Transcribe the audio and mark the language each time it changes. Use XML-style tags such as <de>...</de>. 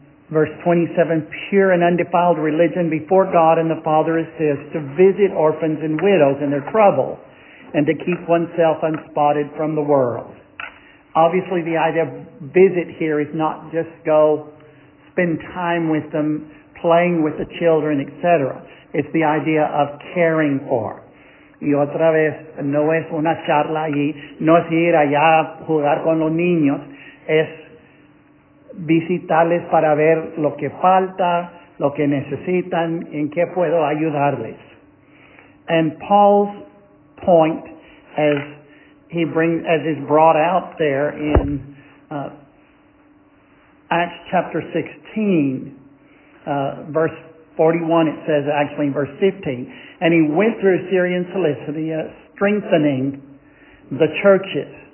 <en>Verse 27, pure and undefiled religion before God and the Father is to visit orphans and widows in their trouble and to keep oneself unspotted from the world. Obviously, the idea of visit here is not just go spend time with them, playing with the children, etc. It's the idea of caring for.</en> <es>Y otra vez, no es una charla allí, no es ir allá a jugar con los niños, es visitarles para ver lo que falta, lo que necesitan, en qué puedo ayudarles.</es> <en>And Paul's point, as is brought out there in Acts chapter 16, verse 41, it says actually in verse 15, and he went through Syria and Cilicia, strengthening the churches.</en>